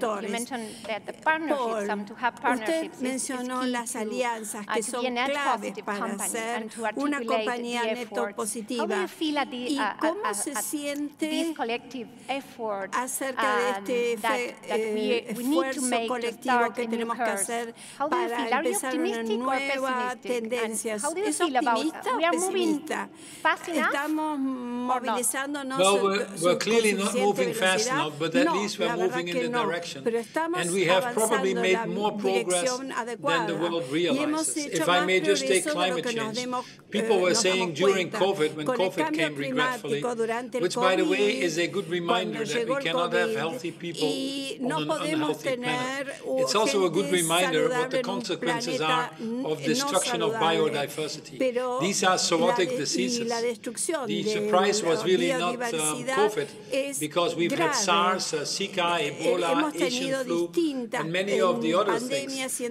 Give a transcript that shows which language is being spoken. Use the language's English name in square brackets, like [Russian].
[English] You mentioned that the partnerships, to have partnerships is key to be a net positive company and to articulate [Spanish] neto positiva. ¿Y cómo se siente acerca de este esfuerzo colectivo que tenemos que hacer para empezar una nueva tendencia? ¿Es optimista o pesimista? ¿Estamos movilizándonos con suficiente velocidad? No, la verdad que no. Pero estamos avanzando en la dirección adecuada. Y hemos hecho más progreso de lo que nos demos cuenta. [English] During COVID, when COVID came regretfully, which, by the way, is a good reminder that we cannot have healthy people on an unhealthy planet. It's also a good reminder of what the consequences are of destruction of biodiversity. These are zoonotic diseases. The surprise was really not COVID, because we've had SARS, Zika, Ebola, Asian flu, and many of the other things.